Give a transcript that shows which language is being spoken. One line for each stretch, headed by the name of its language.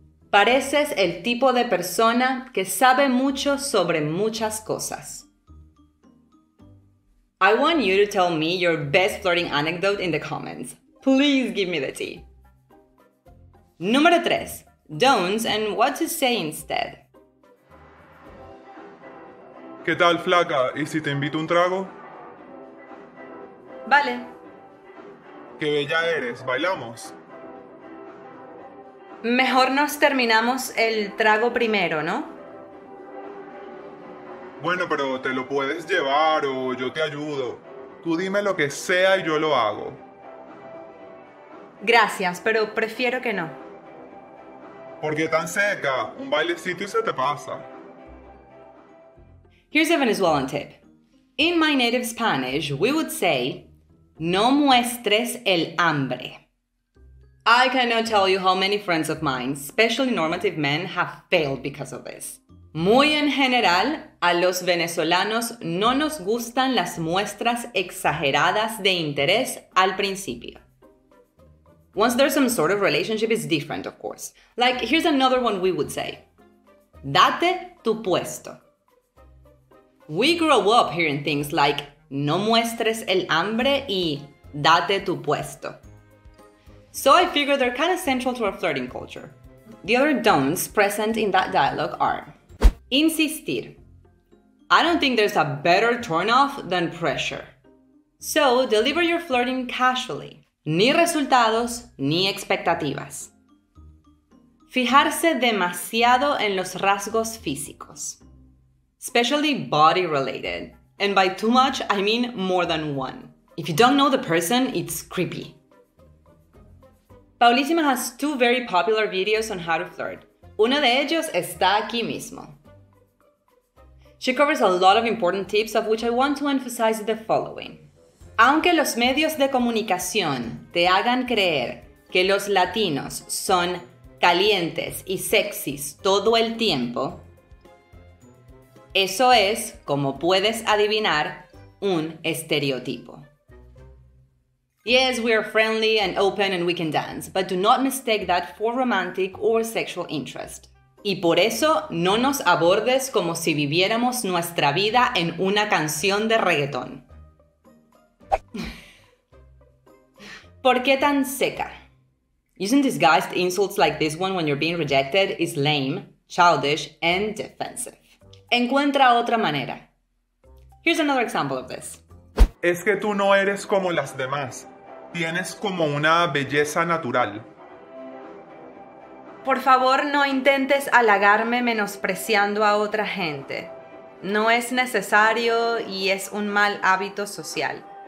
Spanish: Pareces el tipo de persona que sabe mucho sobre muchas cosas.
English: I want you to tell me your best flirting anecdote in the comments. Please give me the tea.
Spanish: Número 3.
English: Don'ts and what to say instead.
Spanish: ¿Qué tal, flaca? ¿Y si te invito un trago? Vale. ¡Qué bella eres! ¿Bailamos? Mejor nos terminamos el trago primero, ¿no? Bueno, pero te lo puedes llevar o yo te ayudo. Tú dime lo que sea y yo lo hago. Gracias, pero prefiero que no. ¿Por qué tan seca? Un bailecito y se te pasa.
English: Here's a Venezuelan tip. In my native Spanish, we would say,
Spanish: no muestres el hambre.
English: I cannot tell you how many friends of mine, especially normative men, have failed because of this.
Spanish: Muy en general, a los venezolanos no nos gustan las muestras exageradas de interés al principio.
English: Once there's some sort of relationship, it's different, of course. Like, here's another one we would say.
Spanish: Date tu puesto.
English: We grow up hearing things like,
Spanish: no muestres el hambre y date tu puesto.
English: So I figure they're kind of central to our flirting culture. The other don'ts present in that dialogue are insistir. I don't think there's a better turnoff than pressure. So deliver your flirting casually.
Spanish: Ni resultados, ni expectativas. Fijarse demasiado en los rasgos físicos.
English: Especially body related. And by too much, I mean more than one. If you don't know the person, it's creepy. Paulissima has two very popular videos on how to flirt.
Spanish: Uno de ellos está aquí mismo.
English: She covers a lot of important tips, of which I want to emphasize the following.
Spanish: Aunque los medios de comunicación te hagan creer que los latinos son calientes y sexys todo el tiempo, eso es, como puedes adivinar, un estereotipo.
English: Yes, we are friendly and open and we can dance, but do not mistake that for romantic or sexual interest.
Spanish: Y por eso, no nos abordes como si viviéramos nuestra vida en una canción de reggaetón. ¿Por qué tan seca?
English: Using disguised insults like this one when you're being rejected is lame, childish, and defensive.
Spanish: Encuentra otra manera.
English: Here's another example of this.
Spanish: Es que tú no eres como las demás. Tienes como una belleza natural. Por favor, no intentes halagarme menospreciando a otra gente. No es necesario y es un mal hábito social.